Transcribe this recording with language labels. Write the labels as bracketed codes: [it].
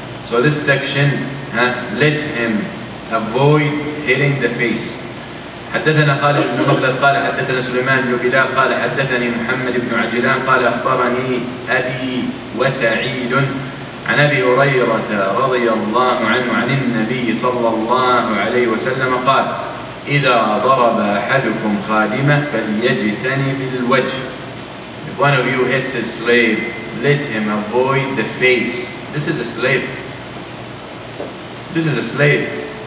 [en] So this section, let him avoid hitting the face. [ar] حدثنا خالد بن مخلد قال حدثنا سليمان بن بلال قال حدثني محمد بن عجلان قال أخبرني أبي وسعيد عن أبي هريرة رضي الله عنه عن النبي صلى الله عليه وسلم قال إذا ضرب أحدكم خادمه فليجتنب الوجه. [en] If one of you hits his slave, let him avoid the face. This is a slave. This is a slave.